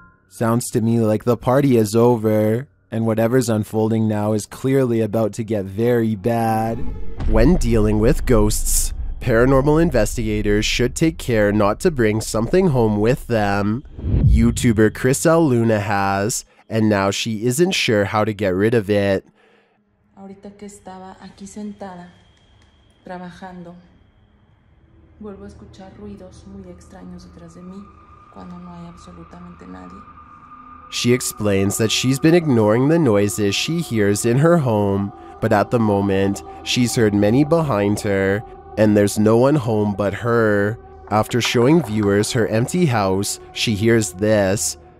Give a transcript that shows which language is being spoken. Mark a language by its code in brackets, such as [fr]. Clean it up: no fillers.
[en] Sounds to me like the party is over, and whatever's unfolding now is clearly about to get very bad. When dealing with ghosts, paranormal investigators should take care not to bring something home with them. YouTuber Chris L. Luna has, and now she isn't sure how to get rid of it. [es] Ahorita que estaba aquí sentada, trabajando, vuelvo a escuchar ruidos muy extraños detrás de mí cuando no hay absolutamente nadie. [en] She explains that she's been ignoring the noises she hears in her home, but at the moment, she's heard many behind her, and there's no one home but her. After showing viewers her empty house, she hears this.